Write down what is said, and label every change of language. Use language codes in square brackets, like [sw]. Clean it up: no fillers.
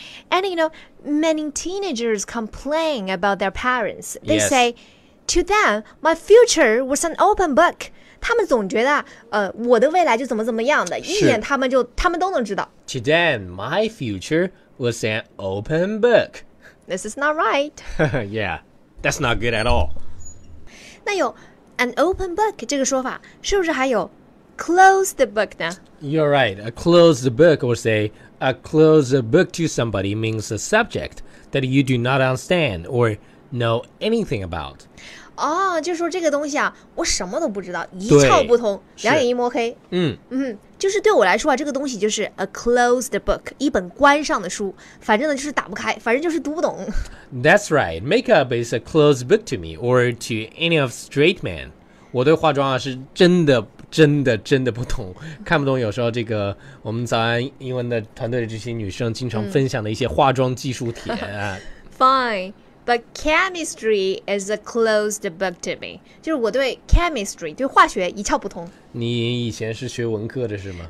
[en] And you know, many teenagers complain about their parents. They say, to them, my future was an open book. [zh] 他们总觉得我的未来就怎么怎么样的，一眼他们都能知道。 [en] To them, my future was an open book. This is not right. Yeah, that's not good at all. [zh] 那有 [en] an open book [zh] 这个说法，是不是还有 [en] close the book [zh] 呢？ [en] You're right. A closed book or say a closed book to somebody means a subject that you do not understand or know anything about. [zh] 哦、oh, ，就说这个东西啊，我什么都不知道，一窍不通，两眼一摸黑。就是对我来说啊，这个东西就是 [en] a closed book， [zh] 一本关上的书，反正呢就是打不开，反正就是读不懂。 [en] That's right. Makeup is a closed book to me or to any of straight men. [zh] 我对化妆啊是真的不懂，看不懂。有时候这个我们早安英文的团队的这些女生经常分享的一些化妆技术帖啊。 [en] Fine. But chemistry is a closed book to me. [zh] 就是我对 chemistry, 对化学一窍不通。你以前是学文科的是吗？